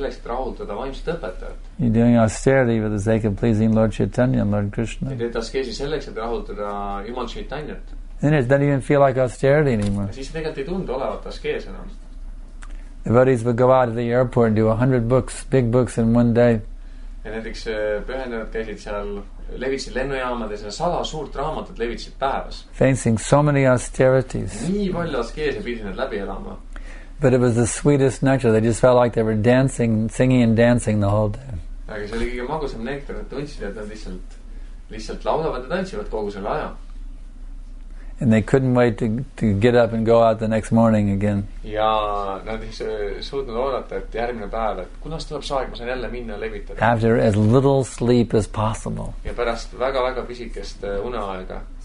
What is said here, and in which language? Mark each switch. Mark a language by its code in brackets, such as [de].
[en] You're doing austerity for the sake of pleasing Lord Chaitanya and Lord Krishna. [et] Te teete askeesi selleks, et rahuldada Jumal Chaitanyat. [en] Then it doesn't even feel like austerity anymore. [et] Siis tegelikult ei tundu olevat askees enam. [en] The devotees would go out of the airport and do 100 books, big books in one day. [et] Ja näiteks pühendunud käisid seal, levitsid lennujaamades ja 100 suurt raamatut levitsid päevas. [en] Facing so many austerities. [et] Nii palju askeese pidi nad läbi elama. [en] But it was the sweetest nectar. They just felt like they were dancing, singing and dancing the whole day. [et] Aga see oli kõige magusam nektar, et tundsid, et nad lihtsalt laulavad ja tantsivad kogu selle aja. [en] And they couldn't wait to get up and go out the next morning again. [et] Ja nad ei suutnud oodata, et järgmine päev, et kunas tuleb saeg, ma saan jälle minna levitada. [en] After as little sleep as possible. [et] Ja pärast väga-väga pisikest uneaega.